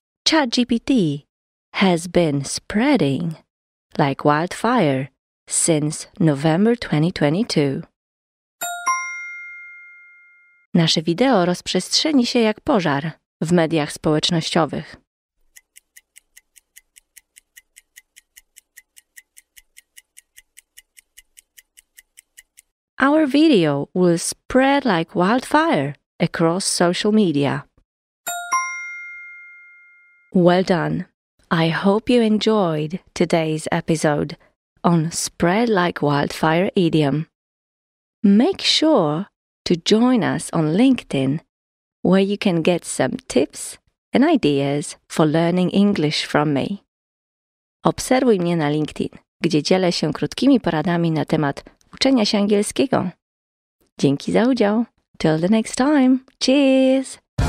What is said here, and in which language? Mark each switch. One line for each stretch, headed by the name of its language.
English: ChatGPT has been spreading like wildfire since November 2022.
Polish: Nasze wideo rozprzestrzeni się jak pożar w mediach społecznościowych.
English: Our video will spread like wildfire across social media. Well done. I hope you enjoyed today's episode on Spread Like Wildfire idiom. Make sure to join us on LinkedIn, where you can get some tips and ideas for learning English from me.
Polish: Obserwuj mnie na LinkedIn, gdzie dzielę się krótkimi poradami na temat uczenia się angielskiego. Dzięki za udział.
English: Till the next time. Cheers!